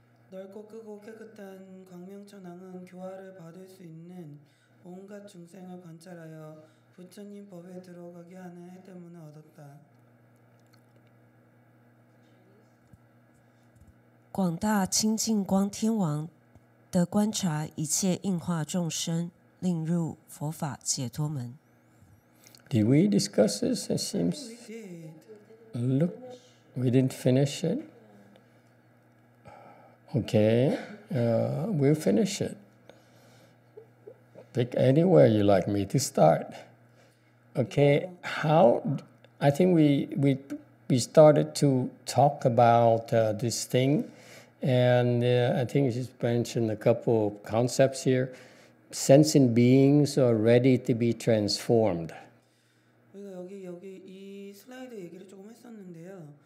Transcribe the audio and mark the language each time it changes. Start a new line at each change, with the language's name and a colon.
Korean: 넓고 크고 깨끗한 광명천왕은 교화를 받을 수 있는 온갖 중생을 관찰하여 부처님 법에 들어가게 하는 해 때문에 얻었다.
Chinese: 广大清净光天王的观察一切应化众生，令入佛法解脱门。
English: Did we discuss this? It seems. Look, we didn't finish it. Okay, we'll finish it. Pick anywhere you like me to start. Okay, how? I think we started to talk about this thing. And I think you just mentioned a couple of concepts here. Sensing beings are ready to be transformed.
Korean: 우리가 여기 이 슬라이드 얘기를 조금 했었는데요.